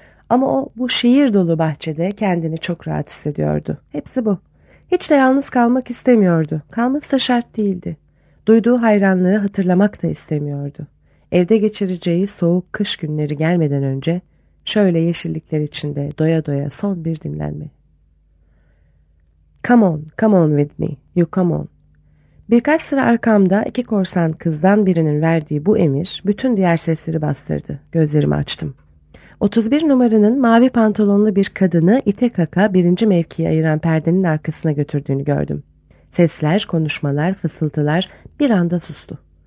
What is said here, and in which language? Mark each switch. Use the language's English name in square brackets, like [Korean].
[Turkish] Ama o bu şiir dolu bahçede kendini çok rahat hissediyordu. Hepsi bu. Hiç de yalnız kalmak istemiyordu. Kalması da şart değildi. Duyduğu hayranlığı hatırlamak da istemiyordu. Evde geçireceği soğuk kış günleri gelmeden önce şöyle yeşillikler içinde doya doya son bir dinlenme. [English] Come on, come on with me, you come on. [Turkish] Birkaç sıra arkamda iki korsan kızdan birinin verdiği bu emir bütün diğer sesleri bastırdı. Gözlerimi açtım. 31 numaranın mavi pantolonlu bir kadını ite kaka birinci mevkiyi ayıran perdenin arkasına götürdüğünü gördüm. Sesler, konuşmalar, fısıltılar bir anda sustu.